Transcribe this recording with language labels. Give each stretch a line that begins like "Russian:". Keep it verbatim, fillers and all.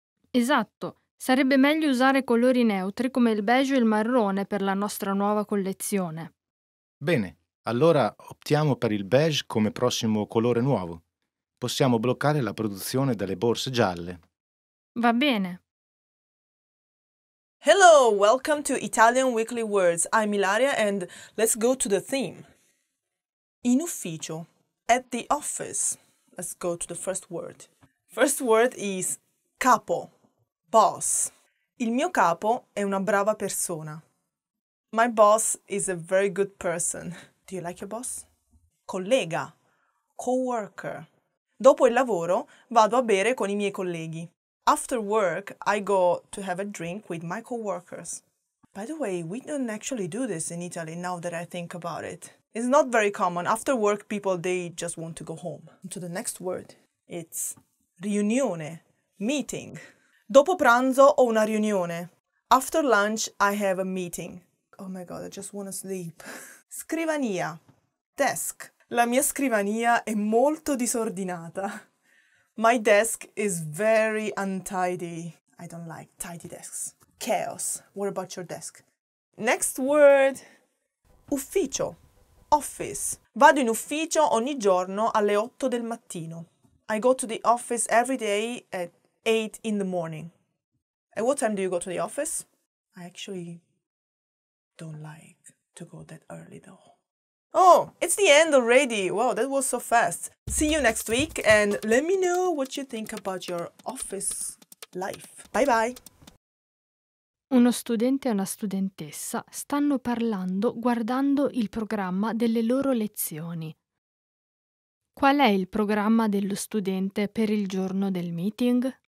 Italian: Esatto. Sarebbe meglio usare colori neutri come il beige e il marrone per la nostra nuova collezione. Bene, allora optiamo per il beige come prossimo colore nuovo. Possiamo bloccare la produzione delle borse gialle. Va bene.
English: Hello, welcome to Italian Weekly Words. I'm Ilaria and let's go to the theme. In ufficio, at the office. Let's go to the first word. First word is capo, boss.
Italian: Il mio capo è una brava persona.
English: My boss is a very good person. Do you like your boss? Collega, co-worker.
Italian: Dopo il lavoro vado a bere con i miei colleghi.
English: After work, I go to have a drink with my co-workers. By the way, we don't actually do this in Italy now that I think about it. It's not very common. After work, people, they just want to go home. To the next word. It's riunione, meeting.
Italian: Dopo pranzo ho una riunione.
English: After lunch, I have a meeting. Oh my god, I just want to sleep. Scrivania, desk.
Italian: La mia scrivania è molto disordinata.
English: My desk is very untidy. I don't like tidy desks. Chaos. What about your desk? Next word. Ufficio, office.
Italian: Vado in ufficio ogni giorno alle otto del mattino.
English: I go to the office every day at eight in the morning. At what time do you go to the office? I actually don't like to go that early though. Oh, it's the end already. Wow, that was so fast. See you next week and let me know what you think about your office life. Bye bye.
Italian: Uno studente e una studentessa stanno parlando guardando il programma delle loro lezioni. Qual è il programma dello studente per il giorno del meeting?